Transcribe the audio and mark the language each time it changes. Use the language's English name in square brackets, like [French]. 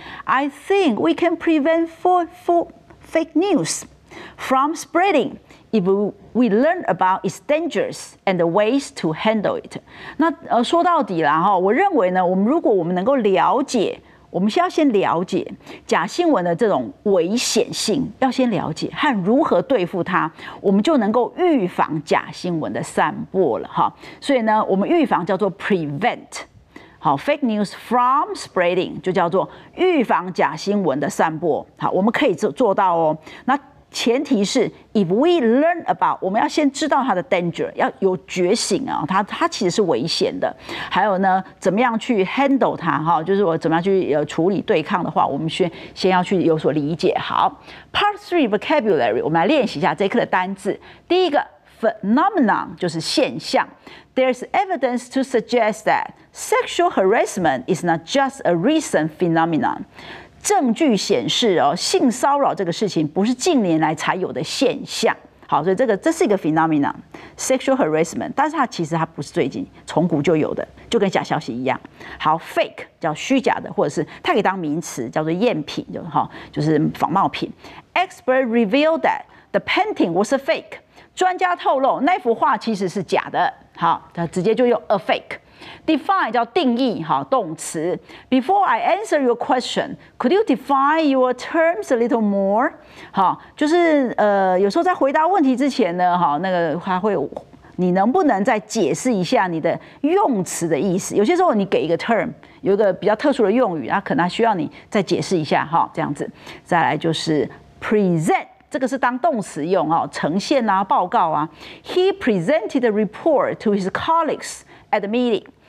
[English] I think we can prevent fake news from spreading if we learn about its dangers and the ways to handle it. [Chinese] 那说到底啦，我认为呢，如果我们能够了解，我们需要先了解假新闻的这种危险性，要先了解和如何对付它，我们就能够预防假新闻的散播了。所以呢，我们预防叫做 prevent。好 ， [English] fake news from spreading [Chinese] 就叫做预防假新闻的散播。好，我们可以做到哦。那前提是 ， [English] if we learn about， [Chinese] 我们要先知道它的 danger， 要有觉醒啊，它其实是危险的。还有呢，怎么样去 handle 它？哈，就是我怎么样去处理对抗的话，我们先要去有所理解。好 ，Part 3 vocabulary， 我们来练习一下这一课的单字。第一个 phenomenon 就是现象。 [English] There's evidence to suggest that sexual harassment is not just a recent phenomenon. [Chinese] 证据显示哦，性骚扰这个事情不是近年来才有的现象。好，所以这是一个 phenomenon, [English] sexual harassment. [Chinese] 但是它不是最近，从古就有的，就跟假消息一样。好 ，fake 叫虚假的，或者是它可以当名词，叫做赝品，就是仿冒品。 [English] Expert revealed that the painting was a fake. [Chinese] 专家透露那幅画其实是假的。好，他直接就用 [English] a fake。 [Chinese] Define 叫定义，好，动词。 [English] Before I answer your question, could you define your terms a little more? [Chinese] 好，就是有时候在回答问题之前呢，哈，那个他会，你能不能再解释一下你的用词的意思？有些时候你给一个 term， 有一个比较特殊的用语，那可能还需要你再解释一下，哈，这样子。再来就是 present。这个是当动词用哦，呈现啊，报告啊。 [English] He presented a report to his colleagues at the meeting.